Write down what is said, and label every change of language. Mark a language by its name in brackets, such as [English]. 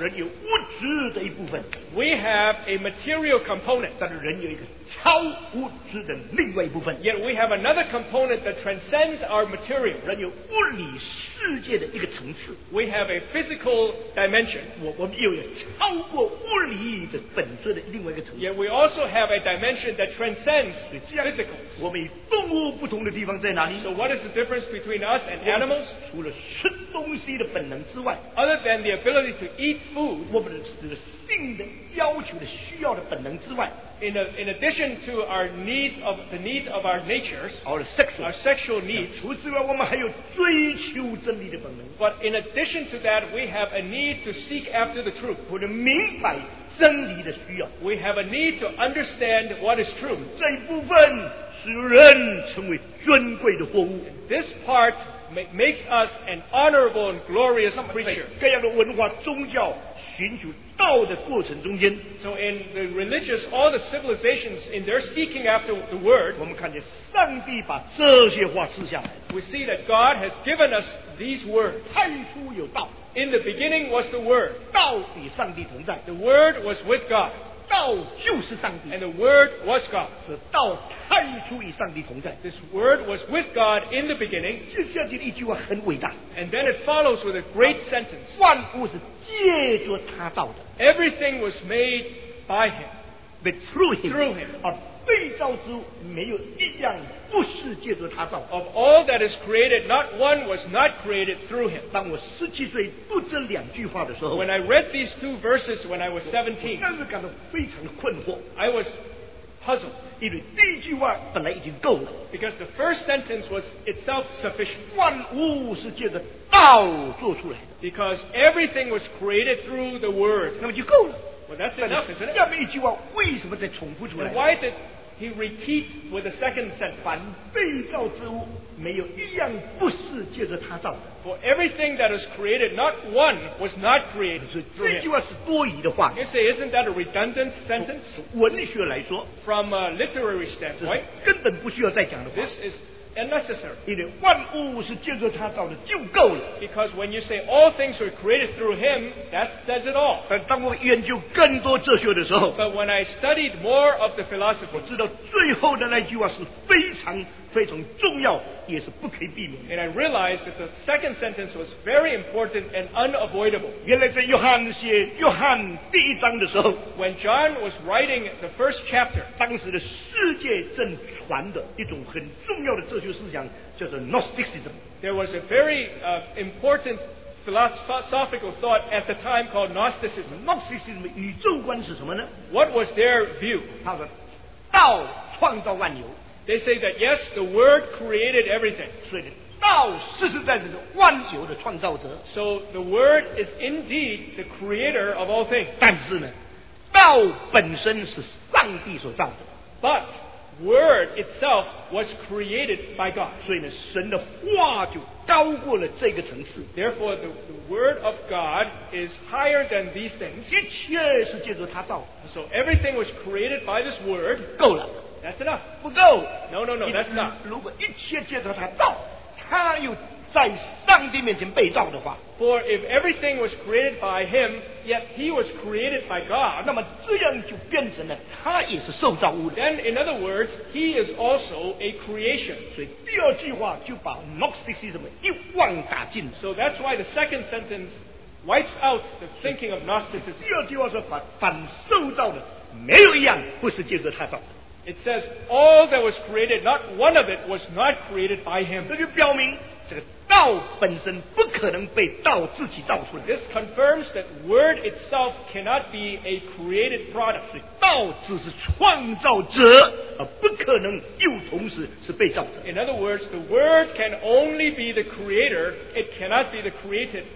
[Chinese] 人有物质的一部分。 [English] We have a material component. [Chinese] 但是人有一个超物质的另外一部分。 [English] Yet we have another component that transcends our material. [Chinese] 人有物理世界的一个层次。 [English] We have a physical dimension. [Chinese] 我们又有超过物理的本质的另外一个层次。 [English] Yet we also have have a dimension that transcends physical. [Chinese] 我们与动物不同的地方在哪里？ [English] So what is the difference between us and animals? [Chinese] 除了吃东西的本能之外， [English] other than the ability to eat food, [Chinese] 我们的性的要求的需要的本能之外， [English] in addition to our needs of the needs of our natures, our sexual needs, [Chinese] 除此之外，我们还有追求真理的本能。 [English] But in addition to that, we have a need to seek after the truth. [Chinese] 我们明白真理的需要。 [English] We have a need to understand what is true. [Chinese] 这一部分使人成为尊贵的活物。 [English] This part makes us an honorable and glorious creature. [Chinese] 各样的文化宗教寻求道的过程中间， [English] So in the religious, all the civilizations, in their seeking after the word, [Chinese] 我们看见上帝把这些话赐下来。 [English] We see that God has given us these words. [Chinese] 太初有道。 [English] In the beginning was the Word. [Chinese] 道与上帝同在。 [English] The Word was with God. [Chinese] 道就是上帝。 [English] And the Word was God. [Chinese] 是道太初与上帝同在。 [English] This Word was with God in the beginning. [Chinese] 接下去的一句话很伟大。 [English] And then it follows with a great sentence. [Chinese] 万物是借着他造的。 [English] Everything was made by him. But through him. Through him. [Chinese] 而被造之物没有一样不是借着他造。 [English] Of all that is created, not one was not created through him. [Chinese] 当我十七岁读这两句话的时候， [English] When I read these two verses when I was 17, [Chinese] 我当时感到非常困惑。 [English] I was puzzled. [Chinese] 因为第一句话本来已经够了。 [English] Because the first sentence was itself sufficient. [Chinese] 万物是借着道做出来的。 [English] Because everything was created through the word. [Chinese] 那么就够了。 [English] Well, that's enough, isn't it? [Chinese] 下面一句话为什么再重复出来？ [English] Why did he repeat with the second sentence? [Chinese] 凡被造之物没有一样不是借着他造的。 [English] For everything that is created, not one was not created. [Chinese] 这句话是多余的话。 [English] You say, isn't that a redundant sentence? [Chinese] 文学来说， [English] From a literary standpoint, [Chinese] 根本不需要再讲的话。 [English] This is unnecessary. [Chinese] 因为万物是借着他造的就够了。 [English] Because when you say all things were created through him, that says it all. [Chinese] 但当我研究更多哲学的时候， [English] But when I studied more of the philosophy, [Chinese] 我知道最后的那句话是非常非常重要，也是不可以避免。 [English] And I realized that the second sentence was very important and unavoidable. [Chinese] 原来在约翰写约翰第一章的时候， [English] When John was writing the first chapter, [Chinese] 当时的世界正传的一种很重要的哲学思想叫做 Gnosticism. [English] There was a very important philosophical thought at the time called Gnosticism. [Chinese] Gnosticism 宇宙观是什么呢？ [English] What was their view? [Chinese] 他说，道创造万有。 [English] They say that yes, the Word created everything. [Chinese] 所以道实实在在是万有的创造者。 [English] So the Word is indeed the creator of all things. [Chinese] 但是呢，道本身是上帝所造的。 [English] But Word itself was created by God. [Chinese] 所以呢，神的话就高过了这个层次。 [English] Therefore, the Word of God is higher than these things. [Chinese] 一切是借着他造的。 [English] So everything was created by this Word. [Chinese] 够了。 [English] That's enough. [Chinese] 不够。 [English] No, that's not. [Chinese] 如果一切借着他造，他又在上帝面前被造的话， [English] For if everything was created by him, yet he was created by God, [Chinese] 那么这样就变成了他也是受造物的。 [English] Then, in other words, he is also a creation. [Chinese] 所以第二句话就把 Gnosticism 一网打尽。 [English] So that's why the second sentence wipes out the thinking of Gnosticism. [Chinese] 第二句话是反受造的，没有一样不是借着他造的。 [English] It says, all that was created, not one of it was not created by him. [Chinese] 这就表明这个道本身不可能被道自己造出来。 [English] This confirms that word itself cannot be a created product. [Chinese] 所以道只是创造者，而不可能又同时是被造者。 [English] In other words, the word can only be the creator, it cannot be the created.